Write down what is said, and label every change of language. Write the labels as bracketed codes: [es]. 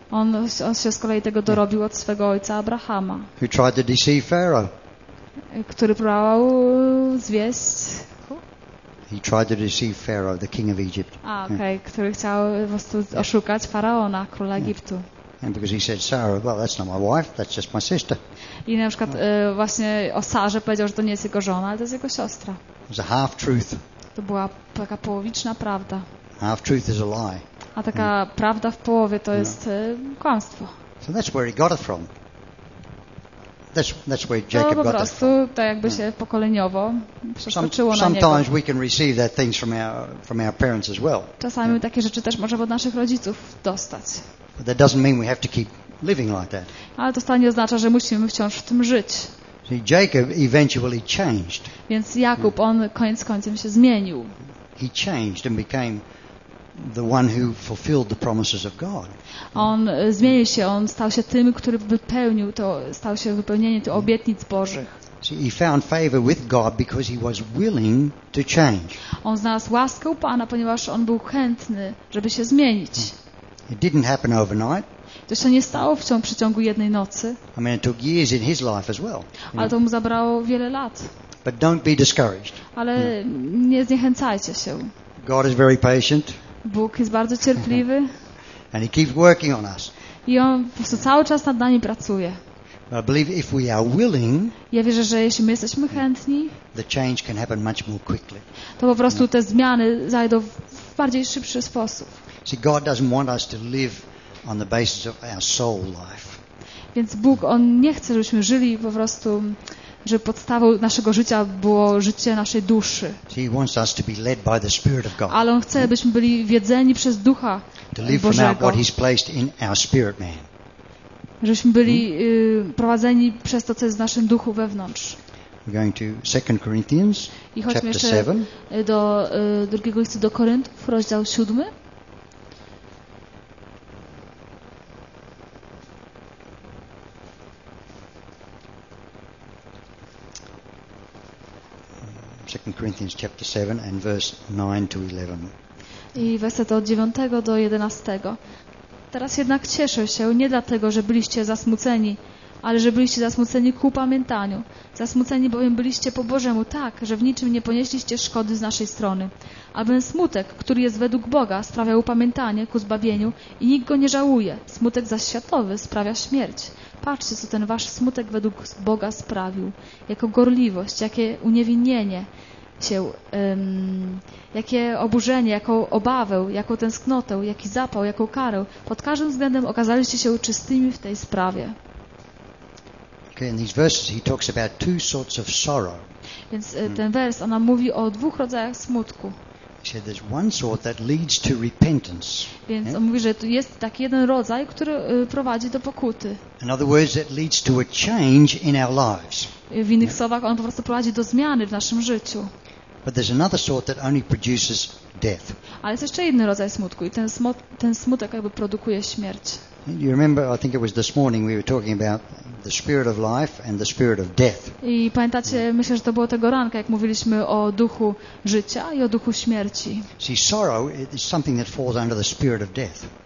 [pl] On się z kolei tego dorobił od swego ojca Abrahama. [en] Who tried to deceive Pharaoh. [pl] Który próbował zwieść. [en] He tried to deceive Pharaoh, the king of Egypt. [pl] Który chciał po prostu oszukać Faraona, króla Egiptu. [en] And because he said Sarah, well, that's not my wife, that's just my sister. [pl] I na przykład właśnie o Sarze powiedział, że to nie jest jego żona, ale to jest jego siostra. [en] It's a half truth. [pl] To była taka połowiczna prawda. [en] Half truth is a lie. [pl] A taka prawda w połowie to jest kłamstwo. [en] So that's where he got it from. That's where Jacob [pl] To po prostu to jakby się pokoleniowo przeskoczyło na niego. [en] Sometimes we can receive that things from our parents as well. [pl] Czasami takie rzeczy też możemy od naszych rodziców dostać. [en] But that doesn't mean we have to keep living like that. [pl] Ale to wcale nie oznacza, że musimy wciąż w tym żyć. [en] See, Jacob eventually changed. [pl] Więc Jakub, on koniec końcem się zmienił. [en] He changed and became the one who fulfilled the promises of God. [pl] On zmienił się, on stał się tym, który wypełnił to, stał się wypełnieniem tych obietnic Bożych. [en] See, he found favor with God because he was willing to change. [pl] On znalazł łaskę u Pana, ponieważ on był chętny, żeby się zmienić. [en] It didn't happen overnight. [pl] To się nie stało w przeciągu jednej nocy. [en] I mean, it took years in his life as well. [pl] Ale to mu zabrało wiele lat. [en] But don't be discouraged. [pl] Ale nie zniechęcajcie się. [en] God is very patient. [pl] Bóg jest bardzo cierpliwy. [en] And he keeps working on us. [pl] I on po prostu cały czas nad nami pracuje. [en] But I believe if we are willing, [pl] ja wierzę, że jeśli my jesteśmy chętni, [en] the change can happen much more quickly. [pl] To po prostu te zmiany zajdą w bardziej szybszy sposób. [en] See, God doesn't want us to live on the basis of our soul life. [pl] Więc Bóg, on nie chce, żebyśmy żyli po prostu, żeby podstawą naszego życia było życie naszej duszy. [en] See, he wants us to be led by the Spirit of God. [pl] Ale on chce, byśmy byli wiedzeni przez Ducha [en] to live [pl] Bożego. [en] From out what he's placed in our spirit man. [pl] Żebyśmy byli prowadzeni przez to, co jest w naszym duchu wewnątrz. [en] We're going to 2 Corinthians chapter 7. [pl] Do drugiego listu do Koryntów, rozdział 7. [en] Corinthians chapter 7 and verse 9-11. [pl] I werset od 9 do 11. Teraz jednak cieszę się nie dlatego, że byliście zasmuceni, ale że byliście zasmuceni ku pamiętaniu. Zasmuceni bowiem byliście po Bożemu tak, że w niczym nie ponieśliście szkody z naszej strony. Albowiem smutek, który jest według Boga, sprawia upamiętanie ku zbawieniu i nikt go nie żałuje. Smutek zaś światowy sprawia śmierć. Patrzcie, co ten wasz smutek według Boga sprawił. Jako gorliwość, jakie uniewinnienie się, jakie oburzenie, jaką obawę, jaką tęsknotę, jaki zapał, jaką karę. Pod każdym względem okazaliście się czystymi w tej sprawie. [en] Okay, in these verses he talks about two sorts of sorrow. [pl] Więc ten wers, ona mówi o dwóch rodzajach smutku. [en] He said there's one sort that leads to repentance. [pl] Więc on mówi, że jest taki jeden rodzaj, który prowadzi do pokuty. [en] In other words, it leads to a change in our lives. [pl] W innych słowach, on po prostu prowadzi do zmiany w naszym życiu. [en] But there's another sort that only produces death. [pl] Ale jest jeszcze jeden rodzaj smutku i ten smutek jakby produkuje śmierć. [en] And you remember, I think it was this morning we were talking about the spirit of life and the spirit of death. [pl] I pamiętacie, myślę, że to było tego ranka, jak mówiliśmy o duchu życia i o duchu śmierci. [en] See, sorrow is something that falls under the spirit of death.